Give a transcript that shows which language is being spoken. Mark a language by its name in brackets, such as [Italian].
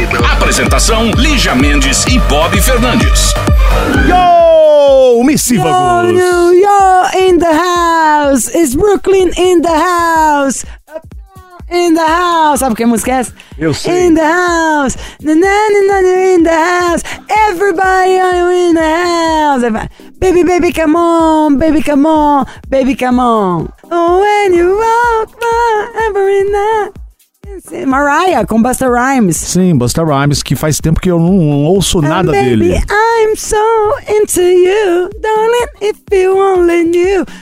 [Portuguese] Apresentação: Lígia Mendes e Bob Fernandes. [English] Yo, missivagos. Yo, yo, in the house. It's Brooklyn in the house. In the house. [Portuguese] Sabe o que a música é essa? Eu sei. [English] In the house. Na-na-na-na, in the house. Everybody in the house. Baby, baby, come on. Baby, come on. Baby, come on. When you walk by every night. [Portuguese] Mariah, com Busta Rhymes. Sim, Busta Rhymes, que faz tempo que eu não ouço nada [English] baby, [Portuguese] dele. [English] Baby, I'm so into you, darling, if you only knew.